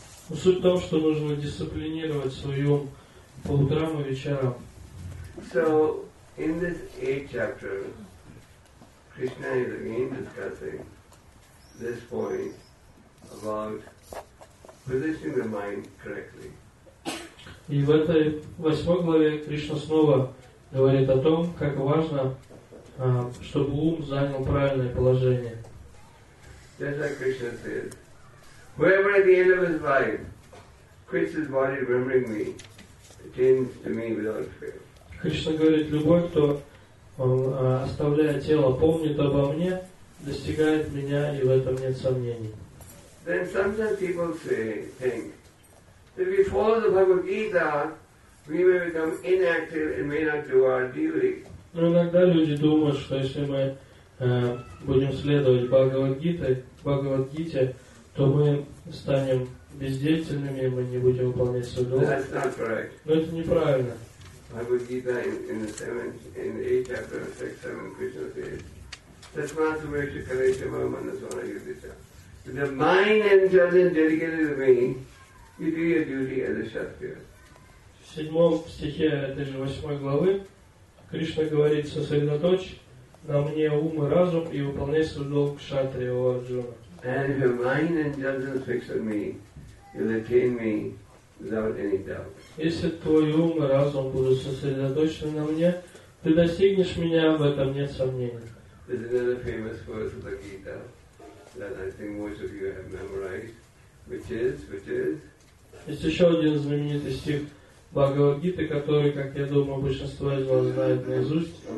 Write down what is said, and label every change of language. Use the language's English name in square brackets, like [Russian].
[Russian] Но суть в том, что нужно дисциплинировать свой ум по утрам и вечерам. [English] So, in this 8th chapter, Krishna is again discussing this point about positioning the mind correctly. [Russian] И в этой 8 главе Кришна снова говорит о том, как важно, чтобы ум занял правильное положение. [English] Just like Krishna says, whoever at the end of his life quits his body remembering me, attains to me without fail. [Russian] Кришна говорит, любой, кто оставляя тело, помнит обо мне, достигает меня, и в этом нет сомнений. [English] Then sometimes people say, think, if we follow the Bhagavad Gita, we may become inactive and may not do our duty. [Russian] Но иногда люди думают, что если мы будем следовать Бхагавад-гите, то мы станем бездеятельными, мы не будем выполнять свой долг. [English] That's not correct. [Russian] Но это неправильно. [English] Bhagavad-gita in the 8th chapter, 6-7, Krishna says, [Sanskrit] Tasmasumesha Kaleshava Manaswana Yudhisha. [English] With the mind and intelligence dedicated to me, you do your duty as a kshatriya. [Russian] В 7 стихе этой же 8 главы Кришна говорит, сосредоточь на мне ум и разум и выполняй свой долг кшатрия, о Арджуна. [English] And if your mind and judgment fix on me, you'll attain me without any doubt. [Russian] Если твой ум и разум будут сосредоточены на мне, ты достигнешь меня, в этом нет сомнений. [English] There's another famous verse of the Gita that I think most of you have memorized, which is? [Russian] Есть еще один знаменитый стих Бхагавад-гиты, который, как я думаю, большинство из вас знает наизусть.